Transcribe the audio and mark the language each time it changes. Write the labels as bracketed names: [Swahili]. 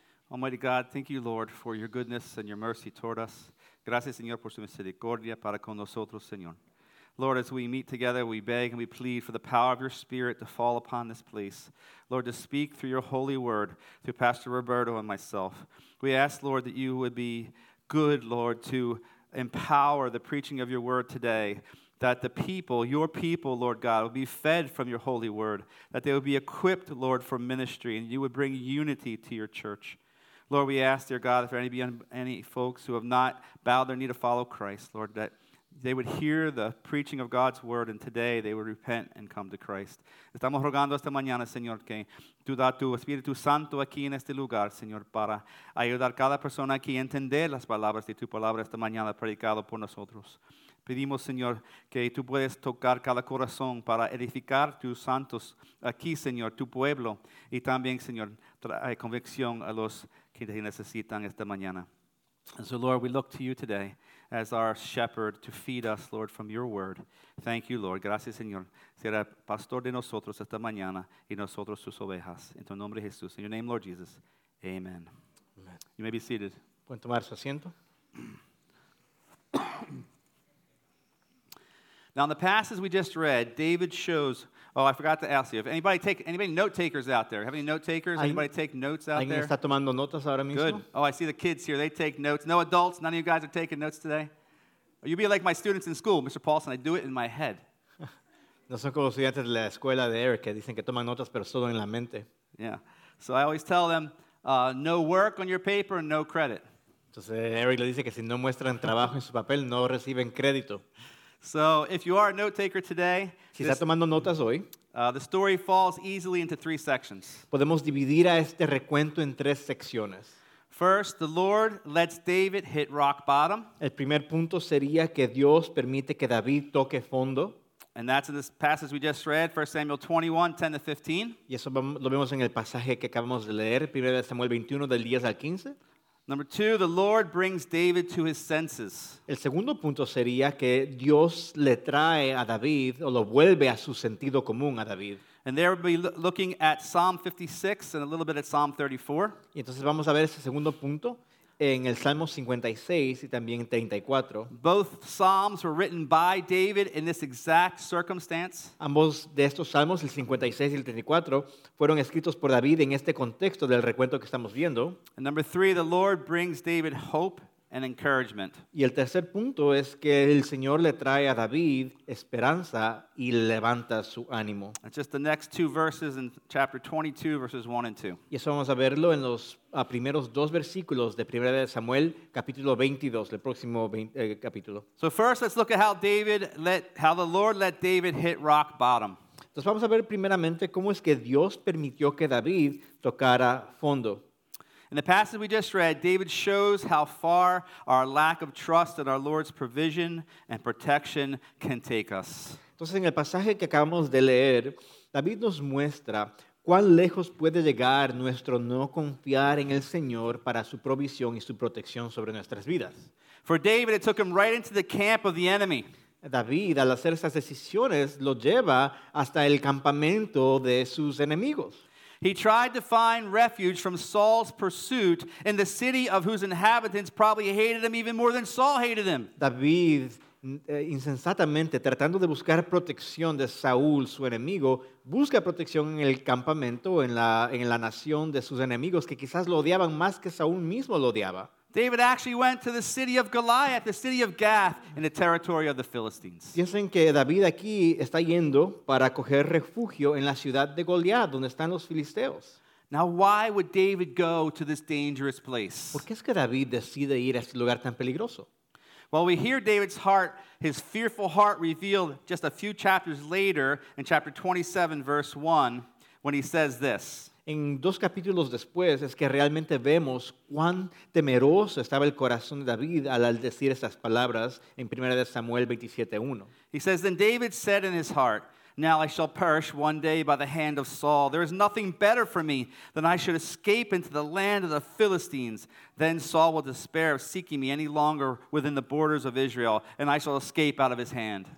[English] Almighty God, thank you, Lord, for your goodness and your mercy toward us. [Spanish] Gracias, Señor, por su misericordia para con nosotros, Señor. [English] Lord, as we meet together, we beg and we plead for the power of your Spirit to fall upon this place. Lord, to speak through your holy word, through Pastor Roberto and myself. We ask, Lord, that you would be good, Lord, to empower the preaching of your word today, that the people, your people, Lord God, would be fed from your holy word, that they would be equipped, Lord, for ministry, and you would bring unity to your church. Lord, we ask, dear God, if there be any folks who have not bowed their knee to follow Christ, Lord, that they would hear the preaching of God's word, and today they would repent and come to Christ. [Spanish] Estamos rogando esta mañana, Señor, que tú da tu Espíritu Santo aquí en este lugar, Señor, para ayudar cada persona aquí a entender las palabras de tu palabra esta mañana predicado por nosotros. Pedimos, Señor, que tú puedes tocar cada corazón para edificar tus santos aquí, Señor, tu pueblo, y también, Señor, trae convicción a los que te necesitan esta mañana. [English] And so, Lord, we look to you today as our shepherd to feed us, Lord, from your word. Thank you, Lord. [Spanish] Gracias, Señor. Será pastor de nosotros esta mañana y nosotros sus ovejas. En tu nombre, Jesús. [English] In your name, Lord Jesus. Amen. Amen. You may be seated. [Spanish] Pueden tomar su asiento. [English] Now, in the passage we just read, David shows... Oh, I forgot to ask you. If anybody take anybody note takers out there? Have any note takers? Anybody take notes out there? [Spanish] ¿Está tomando notas ahora mismo? [English] Good. Oh, I see the kids here. They take notes. No adults. None of you guys are taking notes today. You'd be like my students in school, Mr. Paulson. I do it in my head. [Spanish] No son como estudiantes de la escuela de Eric que dicen que toman notas, pero solo en la mente. [English] Yeah. So I always tell them, no work on your paper and no credit. [Spanish] Entonces Eric le dice que si no muestran trabajo en su papel, no reciben crédito. [English] So, if you are a note taker today, [Spanish] si está tomando notas hoy, [English] the story falls easily into three sections. [Spanish] Podemos dividir a este recuento en tres secciones. [English] First, the Lord lets David hit rock bottom. [Spanish] El primer punto sería que Dios permite que David toque fondo. [English] And that's in this passage we just read, 1 Samuel 21:10-15. [Spanish] Y eso lo vemos en el pasaje que acabamos de leer, 1 Samuel 21:10-15. [English] Number two, the Lord brings David to his senses. [Spanish] El segundo punto sería que Dios le trae a David, o lo vuelve a su sentido común a David. [English] And there we'll be looking at Psalm 56 and a little bit at Psalm 34. [Spanish] Y entonces vamos a ver ese segundo punto en el Salmo 56 y también 34. [English] Both Psalms were written by David in this exact circumstance. [Spanish] Ambos de estos Salmos, el 56 y el 34, fueron escritos por David en este contexto del recuento que estamos viendo. [English] And number three, the Lord brings David hope and encouragement. [Spanish] Y el tercer punto es que el Señor le trae a David esperanza y levanta su ánimo. [English] It's just the next two verses in chapter 22, verses 1 and 2. [Spanish] Y eso vamos a verlo en los primeros dos versículos de 1 Samuel, capítulo 22, el próximo capítulo. [English] So first, let's look at how the Lord let David hit rock bottom. [Spanish] Entonces vamos a ver primeramente cómo es que Dios permitió que David tocara fondo. [English] In the passage we just read, David shows how far our lack of trust in our Lord's provision and protection can take us. [Spanish] Entonces, en el pasaje que acabamos de leer, David nos muestra cuán lejos puede llegar nuestro no confiar en el Señor para su provisión y su protección sobre nuestras vidas. [English] For David, it took him right into the camp of the enemy. [Spanish] David, al hacer esas decisiones, lo lleva hasta el campamento de sus enemigos. [English] He tried to find refuge from Saul's pursuit in the city of whose inhabitants probably hated him even more than Saul hated him. [Spanish] David, insensatamente, tratando de buscar protección de Saúl, su enemigo, busca protección en el campamento, en la nación de sus enemigos, que quizás lo odiaban más que Saúl mismo lo odiaba. [English] David actually went to the city of Goliath, the city of Gath, in the territory of the Philistines. [Spanish] Piensen que David aquí está yendo para coger refugio en la ciudad de Goliath, donde están los filisteos. [English] Now, why would David go to this dangerous place? [Spanish] ¿Por qué es que David decide ir a este lugar tan peligroso? [English] Well, we hear David's heart, his fearful heart, revealed just a few chapters later, in chapter 27, verse 1, when he says this. [Spanish] En dos capítulos después es que realmente vemos cuán temeroso estaba el corazón de David al decir estas palabras en 1 Samuel 27:1. [English] He says, then David said in his heart, now I shall perish one day by the hand of Saul. There is nothing better for me than I should escape into the land of the Philistines. Then Saul will despair of seeking me any longer within the borders of Israel, and I shall escape out of his hand.